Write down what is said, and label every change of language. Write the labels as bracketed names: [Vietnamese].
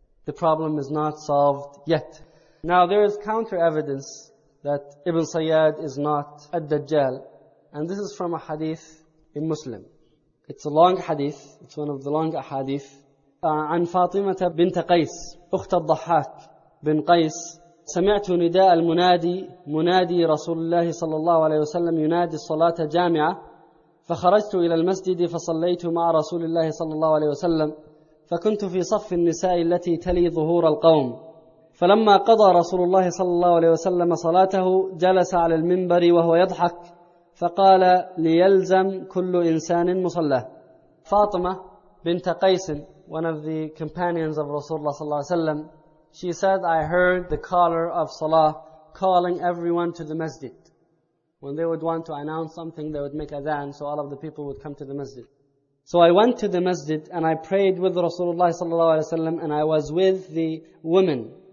[English] The problem is not solved yet. Now there is counter evidence that Ibn Sayyad is not a Dajjal. And this is from a hadith in Muslim. It's a long hadith. It's one of the long hadith. [Arabic] عن فاطمة بنت قيس أخت الضحاك بن قيس سمعت نداء المنادي منادي رسول الله صلى الله عليه وسلم ينادي الصلاة جامعة فخرجت إلى المسجد فصليت مع رسول الله صلى الله عليه وسلم فكنت في صف النساء التي تلي ظهور القوم فلما قضى رسول الله صلى الله عليه وسلم صلاته جلس على المنبر وهو يضحك فقال ليلزم كل إنسان مصلاه. [English] فاطمة بنت قيس, one of the companions of Rasulullah [Arabic] صلى الله عليه وسلم, [English] she said, I heard the caller of Salah calling everyone to the masjid. When they would want to announce something, they would make adhan, so all of the people would come to the masjid. So I went to the masjid and I prayed with Rasulullah sallallahu alayhi wa sallam, and I was with the women.